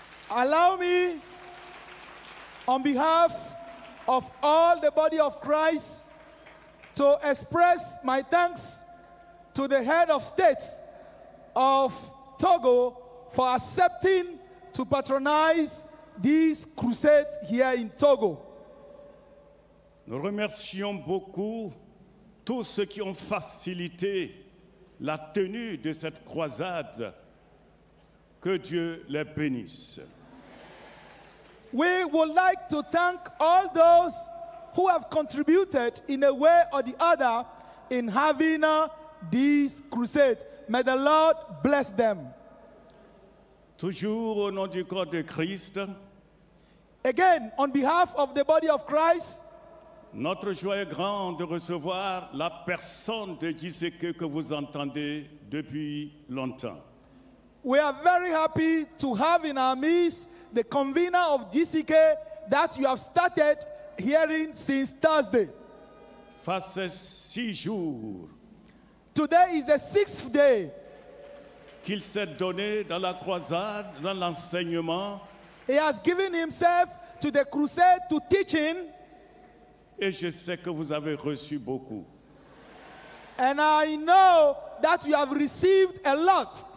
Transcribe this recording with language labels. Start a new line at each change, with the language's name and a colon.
English: Allow me, on behalf of all the body of Christ, to express my thanks to the head of state of Togo for accepting to patronize this crusade here in Togo.
French: Nous remercions beaucoup tous ceux qui ont facilité la tenue de cette croisade. Que Dieu les bénisse.
English: We would like to thank all those who have contributed in a way or the other in having this crusade. May the Lord bless them.
French: Toujours au nom du corps de Christ.
English: Again, on behalf of the body of Christ.
French: Notre joie est grande de recevoir la personne de Giseke que vous entendez depuis longtemps.
English: We are very happy to have in our midst the convener of GCK that you have started hearing since Thursday.
French: Face six jours.
English: Today is the sixth day.
French: Qu'il s'est donné dans la croisade, dans l'enseignement.
English: He has given himself to the crusade, to teaching.
French: Et je sais que vous avez reçu beaucoup.
English: And I know that you have received a lot.